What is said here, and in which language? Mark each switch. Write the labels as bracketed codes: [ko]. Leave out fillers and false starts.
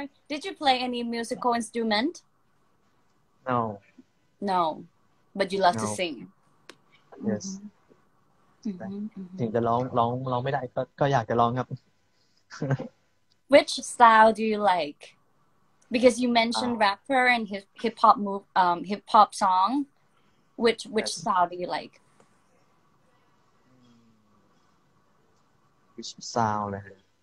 [en] Did you play any musical instrument? No No, but you love to No sing. Yes [th] ถึงจะร้องไม่ได้ก็อยากจะร้องครับ [en] Which style do you like? Because you mentioned rapper and hip hop move hip hop song. Which Yes style do you like? Which sound เลย